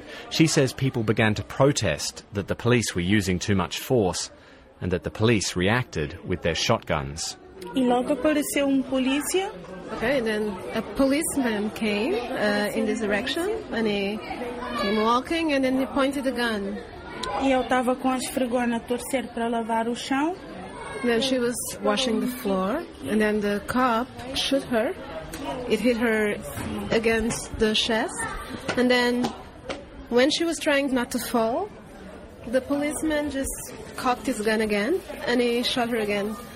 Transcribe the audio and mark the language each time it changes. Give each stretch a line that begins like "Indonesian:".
English: She says people began to protest that the police were using too much force and that the police reacted with their shotguns. Okay, then a policeman came in this direction and he came walking and then he pointed a gun.
Portuguese: E eu tava com a esfregona torcer para lavar o chão.
English: Then she was washing the floor, and then the cop shot her. It hit her against the chest. And then when she was trying not to fall, the policeman just cocked his gun again, and he shot her again.